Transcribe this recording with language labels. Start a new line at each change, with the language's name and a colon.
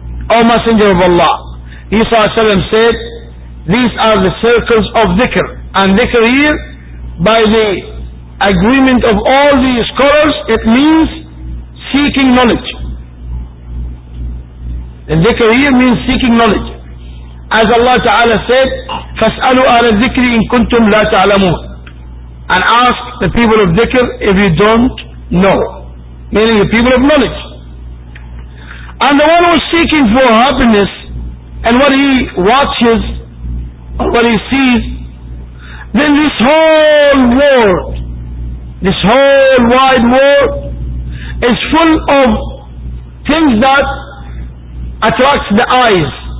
English: O Messenger of Allah, he sallallahu alayhi wa sallam said, these are the circles of dhikr. And dhikr here, by the agreement of all the scholars, it means seeking knowledge. And dhikr here means seeking knowledge. As Allah Ta'ala said,
Arabic: فَاسْأَلُوا أَهْلَ الذِّكْرِ إِن كُنْتُمْ لَا تَعْلَمُونَ.
English: And ask the people of dhikr if you don't know. Meaning the people of knowledge. And the one who is seeking for happiness, and what he watches, or what he sees, then this whole world, this whole wide world, is full of things that attracts the eyes